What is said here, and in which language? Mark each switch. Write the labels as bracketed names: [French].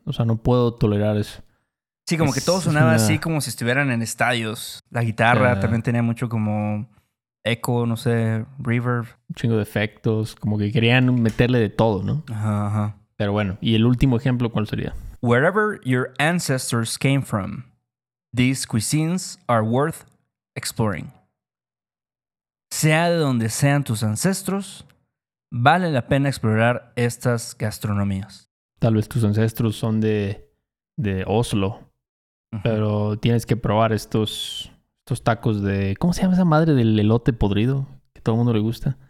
[Spanish] O sea, no puedo tolerar eso. Sí, como que todo sonaba así como si estuvieran en estadios. La guitarra también tenía mucho como eco, no sé, reverb. Un chingo de efectos. Como que querían meterle de todo, ¿no? Ajá. Pero bueno, ¿y el último ejemplo cuál sería? [English] Wherever your ancestors came from, these cuisines are worth exploring. [Spanish] Sea de donde sean tus ancestros, vale la pena explorar estas gastronomías. Tal vez tus ancestros son de Oslo, pero tienes que probar estos tacos de... ¿Cómo se llama esa madre del elote podrido que todo el mundo le gusta?